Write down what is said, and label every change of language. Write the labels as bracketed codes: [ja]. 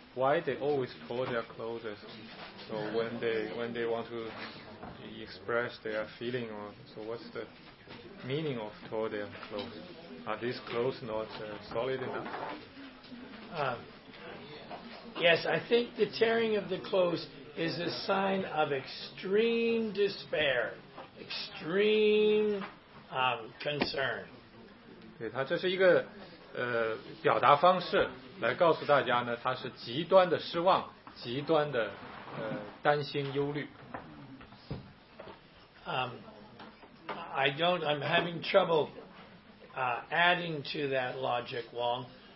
[en] Why they always tore their clothes? So when they want to express their feeling, so what's the meaning of tore their clothes? Are these clothes not solid enough? Yes, I think the tearing of the clothes is a sign of extreme despair, extreme concern. [zh] 对，它这是一个表达方式，来告诉大家呢，它是极端的失望，极端的担心忧虑。 [en] I'm having trouble adding to that logic, Wong.